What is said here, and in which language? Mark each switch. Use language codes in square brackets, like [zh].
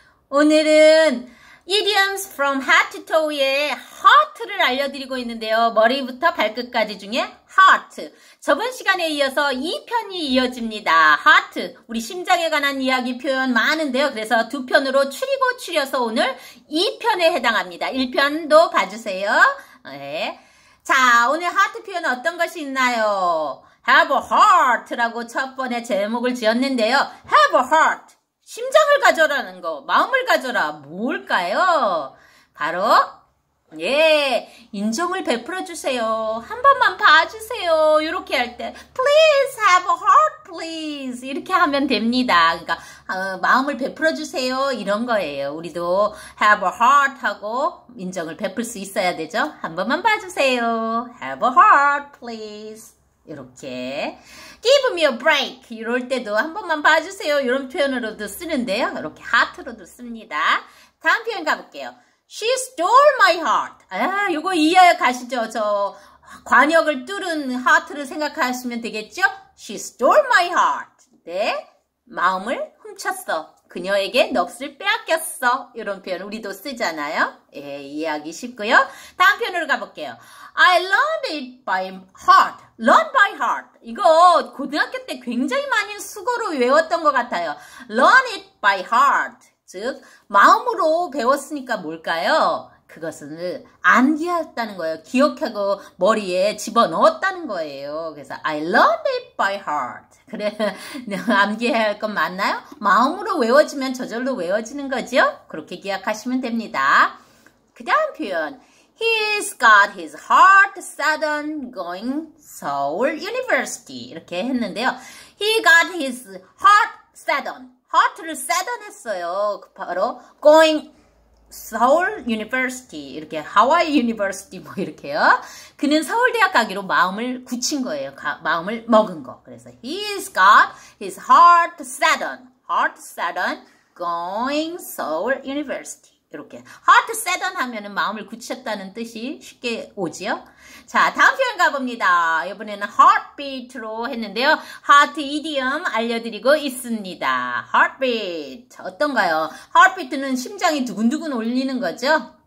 [ko] 오늘은 idioms from heart to toe의 heart를 알려드리고 있는데요. 머리부터 발끝까지 중에 heart. 저번 시간에 이어서 2편이 이어집니다. [en] heart. [ko] 우리 심장에 관한 이야기 표현 많은데요. 그래서 두 편으로 추리고 추려서 오늘 2편에 해당합니다. 1편도 봐주세요. 네. 자, 오늘 heart 표현 어떤 것이 있나요? Have a heart라고 첫 번에 제목을 지었는데요. [en] Have a heart. [ko] 심장을 가져라는 거, 마음을 가져라. 뭘까요? 바로, 예, 인정을 베풀어 주세요. 한 번만 봐주세요. 이렇게 할 때, [en] Please have a heart, please. [ko] 이렇게 하면 됩니다. 그러니까, 마음을 베풀어 주세요. 이런 거예요. 우리도 have a heart 하고 인정을 베풀 수 있어야 되죠. 한 번만 봐주세요. [en] Have a heart, please. [ko] 이렇게 [en] Give me a break [ko] 이럴 때도 한 번만 봐주세요 이런 표현으로도 쓰는데요 이렇게 하트로도 씁니다 다음 표현 가볼게요 [en] She stole my heart [ko] 아 이거 이해 가시죠 저 관역을 뚫은 하트를 생각하시면 되겠죠 She stole my heart 내 마음을 훔쳤어 그녀에게 넋을 빼앗겼어 이런 표현 우리도 쓰잖아요 예 이해하기 쉽고요 다음 표현으로 가볼게요 [en] I learned it by heart Learn by heart. [ko] 이거 고등학교 때 굉장히 많이 수고로 외웠던 것 같아요. [en] Learn it by heart. [ko] 즉, 마음으로 배웠으니까 뭘까요? 그것을 암기했다는 거예요. 기억하고 머리에 집어넣었다는 거예요. [en] 그래서 I learned it by heart. [ko] 그래, 암기해야 할건 맞나요? 마음으로 외워지면 저절로 외워지는 거죠? 그렇게 기억하시면 됩니다. 그 다음 표현. [en] He's got his heart set on going Seoul University [ko] 이렇게 했는데요. [en] He got his heart set on. heart를 set on 했어요. 바로 going Seoul University 이렇게 Hawaii University 뭐 이렇게요. [ko] 그는 서울대학 가기로 마음을 굳힌 거예요. 마음을 먹은 거. [en] 그래서 he's got his heart set on. heart set on going Seoul University. [ko] 이렇게 heart set on 하면은 마음을 굳혔다는 뜻이 쉽게 오지요. 자, 다음 표현 가봅니다. 이번에는 heartbeat로 했는데요. heart idiom 알려드리고 있습니다. heartbeat 어떤가요? heartbeat는 심장이 두근두근 울리는 거죠.